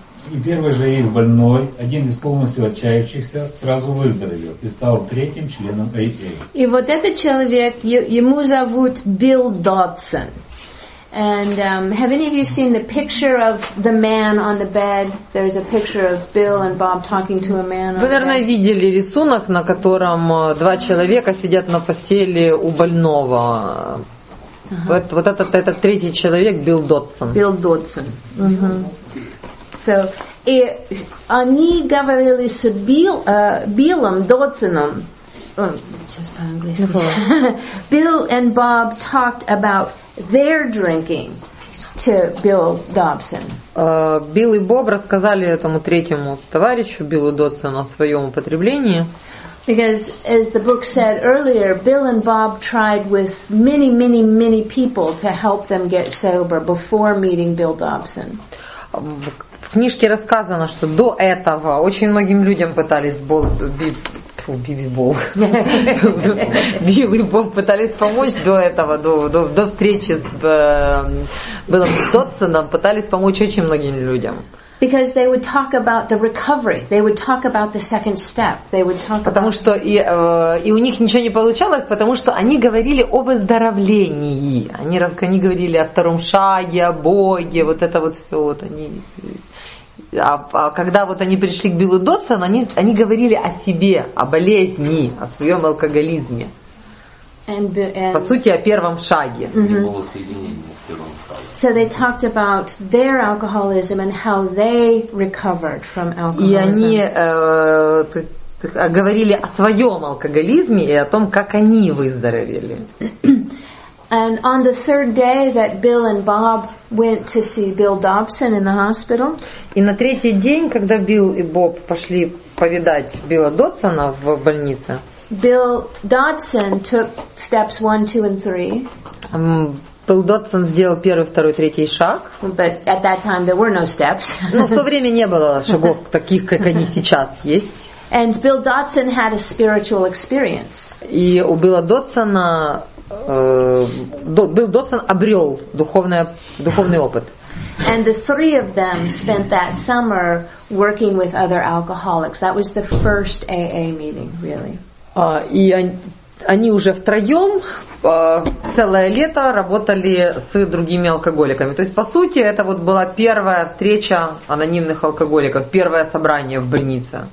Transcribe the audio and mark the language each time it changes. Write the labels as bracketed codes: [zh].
[ru] И первый же их больной, один из полностью отчаявшихся, сразу выздоровел и стал третьим членом АА. И вот этот человек, ему зовут Билл Додсон. [en] And have any of you seen the picture of the man on the bed? There's a picture of Bill and Bob talking to a man. [ru] Вы, наверное, видели рисунок, на котором два человека сидят на постели у больного. Вот этот третий человек Билл Додсон. Билл Додсон. So, и они говорили с Биллом Додсоном. Just по-английски. [en] Bill and Bob talked about their drinking to Bill Dobson. [ru] Билл и Боб рассказали этому третьему товарищу Биллу Додсону о своем употреблении. [en] Because, as the book said earlier, Bill and Bob tried with many, many, many people to help them get sober before meeting Bill Dobson. [ru] В книжке рассказано, что до этого очень многим людям пытались помочь до этого, до встречи с Биллом Додсоном, пытались помочь очень многим людям. [en] Because they would talk about the recovery, they would talk about the second step, they would talk. [ru] Потому что и у них ничего не получалось, потому что они говорили о выздоровлении, они говорили о втором шаге, о Боге, вот это вот все вот они. А когда вот они пришли к Биллу Додсону, они говорили о себе, о болезни, о своем алкоголизме. По сути, о первом шаге. [en] So they talked about their alcoholism and how they recovered from alcoholism. [ru] И они говорили о своем алкоголизме и о том, как они выздоровели. [en] And on the third day that Bill and Bob went to see Bill Dobson in the hospital. [ru] И на третий день, когда Билл и Боб пошли повидать Билла Додсона в больнице. [en] Bill Dodson took steps 1, 2, and 3. [ru] Билл Додсон сделал первый, второй, третий шаг. [en] But at that time there were no steps. [ru] Но в то время не было шагов таких, как они сейчас есть. [en] And Bill Dodson had a spiritual experience. [ru] И у Билла Додсона Билл Додсон обрел духовный опыт. [en] And the three of them spent that summer working with other alcoholics. That was the first AA meeting, really. [ru] И они уже втроем целое лето работали с другими алкоголиками. То есть, по сути, это вот была первая встреча анонимных алкоголиков, первое собрание в больнице.